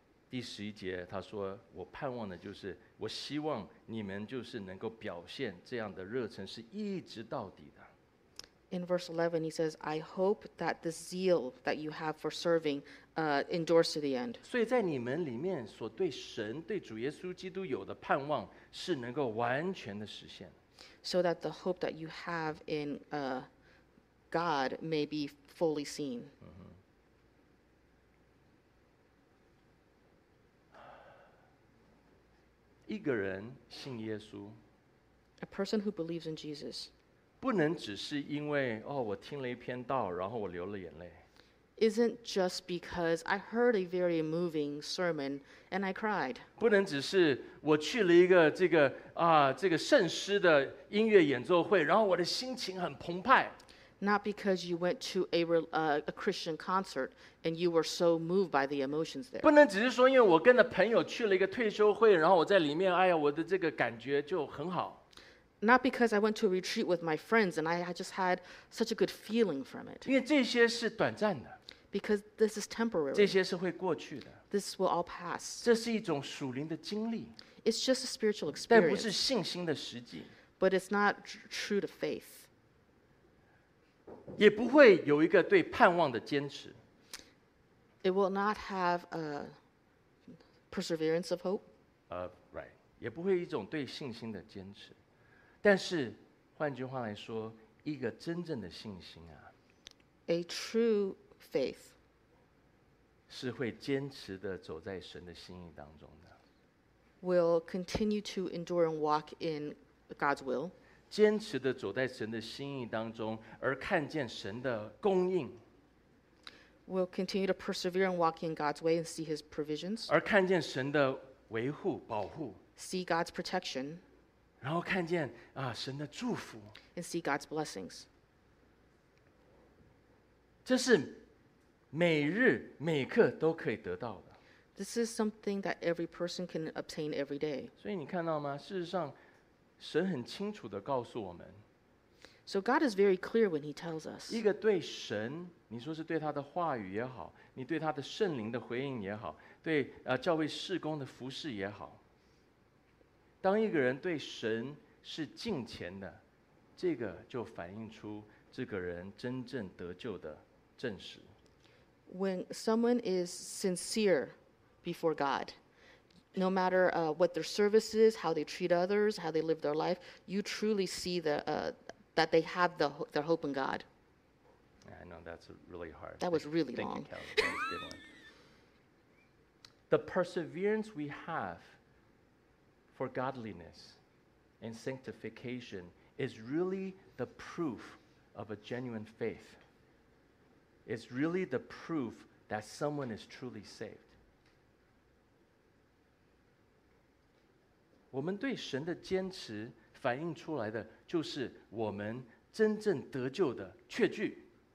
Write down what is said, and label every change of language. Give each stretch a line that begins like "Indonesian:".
Chinese: 第十一节他说，我盼望的就是，我希望你们就是能够表现这样的热忱是一直到底的。
English: In verse 11 he says, I hope that the zeal that you have for serving endures to the end.
Chinese: 所以在你们里面所对神对主耶稣基督有的盼望是能够完全的实现。
English: So that the hope that you have in God may be fully seen.
Chinese: 一个人信耶稣
English: ，A person who believes in Jesus，
Chinese: 不能只是因为哦，我听了一篇道，然后我流了眼泪。
English: Isn't just because I heard a very moving sermon and I cried。
Chinese: 不能只是我去了一个这个这个圣诗的音乐演奏会，然后我的心情很澎湃。
English: Not because you went to a Christian concert and you were so moved by the emotions there.
Chinese: 不能只是说，因为我跟着朋友去了一个退休会，然后我在里面，哎呀，我的这个感觉就很好。
English: Not because I went to a retreat with my friends and I just had such a good feeling from it.
Chinese: 因为这些是短暂的。
English: Because this is temporary.
Chinese: 这些是会过去的。
English: This will all pass.
Chinese: 这是一种属灵的经历。
English: It's just a spiritual experience.
Chinese: 但不是信心的实际。
English: But it's not true to faith.
Chinese: 也不会有一个对盼望的坚持。
English: It will not have a perseverance of hope. Right.
Chinese: 也不会一种对信心的坚持。但是，换句话来说，一个真正的信心啊
English: ，a true faith，
Chinese: 是会坚持的走在神的心意当中的。
English: Will continue to endure and walk in God's will.
Chinese: 坚持地走在神的心意当中，而看见神的供应。
English: We'll continue to persevere and walk in God's way and see His provisions.
Chinese: 而看见神的维护、保护。
English: See God's protection.
Chinese: 然后看见神的祝福。
English: And see God's blessings.
Chinese: 这是每日每刻都可以得到的。
English: This is something that every person can obtain every day.
Chinese: 所以你看到吗？事实上，神很清楚地告诉我们。
English: So God is very clear when He tells us.
Chinese: 一个对神，你说是对他的话语也好，你对他的圣灵的回应也好，对教会事工的服事也好。当一个人对神是敬虔的，这个就反映出这个人真正得救的证实。
English: When someone is sincere before God, no matter what their service is, how they treat others, how they live their life, you truly see that they have their hope in God. I know that's really hard. That was really long. Thank you, Kelly. That was a good one. The perseverance we have for godliness and sanctification is really the proof of a genuine faith. It's really the proof that someone is truly saved.
Chinese: 我们对神的坚持反映出来的就是我们真正得救的确据。